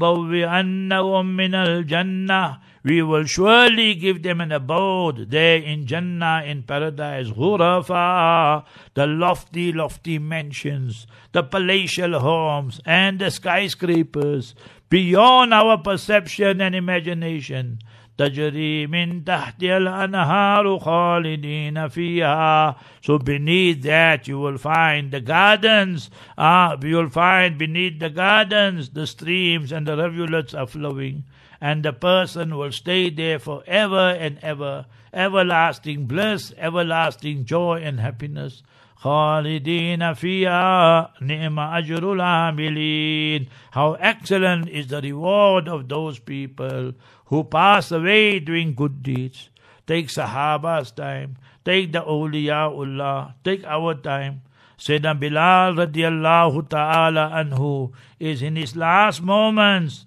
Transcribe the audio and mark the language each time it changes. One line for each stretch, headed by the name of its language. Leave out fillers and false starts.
Arabic: لَنُبَوِّئَنَّهُمْ مِنَ الْجَنَّةِ.
English: We will surely give them an abode there in Jannah, in paradise.
Arabic: غُرَفَا.
English: The lofty, lofty mansions, the palatial homes, and the skyscrapers, beyond our perception and imagination.
Arabic: تجري من تحت الأنهار خالدين فيها.
English: So beneath that you will find the gardens. You will find beneath the gardens the streams and the rivulets are flowing. And the person will stay there forever and ever. Everlasting bliss, everlasting joy and happiness.
Arabic: خالدين فيها نعم أجر العاملين.
English: How excellent is the reward of those people who pass away doing good deeds. Take Sahaba's time, take the Awliyaullah, take our time. Sayyidina Bilal radiallahu ta'ala anhu is in his last moments.